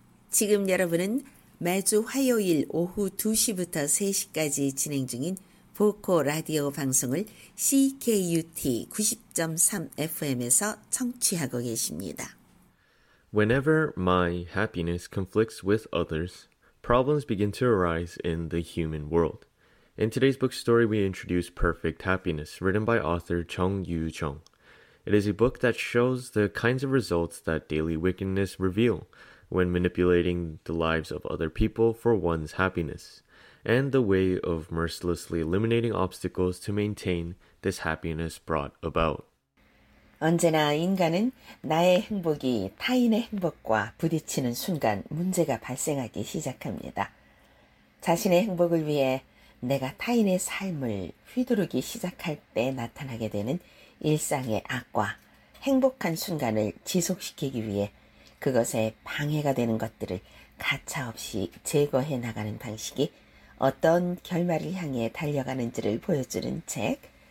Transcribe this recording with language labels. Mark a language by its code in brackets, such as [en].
[ko] 지금 여러분은 매주 화요일 오후 2시부터 3시까지 진행 중인 보코 라디오 방송을 CKUT 90.3 FM에서 청취하고 계십니다. [en] Whenever my happiness conflicts with others, problems begin to arise in the human world. In today's book story, we introduce Perfect Happiness, written by author Chung Yu-jung. It is a book that shows the kinds of results that daily wickedness reveal when manipulating the lives of other people for one's happiness, and the way of mercilessly eliminating obstacles to maintain this happiness brought about. [ko] 언제나 인간은 나의 행복이 타인의 행복과 부딪히는 순간 문제가 발생하기 시작합니다. 자신의 행복을 위해 내가 타인의 삶을 휘두르기 시작할 때 나타나게 되는 일상의 악과 행복한 순간을 지속시키기 위해 그것에 방해가 되는 것들을 가차없이 제거해 나가는 방식이 어떤 결말을 향해 달려가는지를 보여주는 책.